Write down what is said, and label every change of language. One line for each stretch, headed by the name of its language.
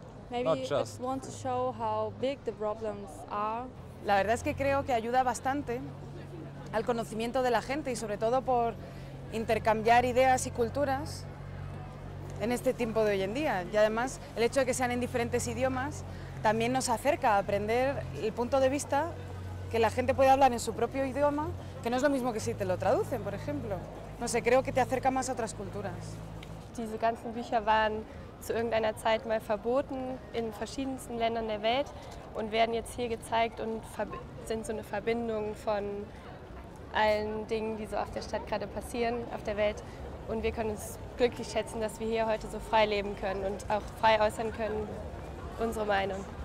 English: Maybe you just want to show how big the problems are.
Spanish: La verdad es que creo que ayuda bastante al conocimiento de la gente y sobre todo por intercambiar ideas y culturas en este tiempo de hoy en día. Y además, el hecho de que sean en diferentes idiomas también nos acerca a aprender el punto de vista que la gente puede hablar en su propio idioma, que no es lo mismo que si te lo traducen, por ejemplo. No sé, creo que te acerca más a otras culturas.
German: Diese ganzen Bücher waren zu irgendeiner Zeit mal verboten in verschiedensten Ländern der Welt und werden jetzt hier gezeigt und sind so eine Verbindung von allen Dingen, die so auf der Stadt gerade passieren, auf der Welt. Und wir können uns glücklich schätzen, dass wir hier heute so frei leben können und auch frei äußern können unsere Meinung.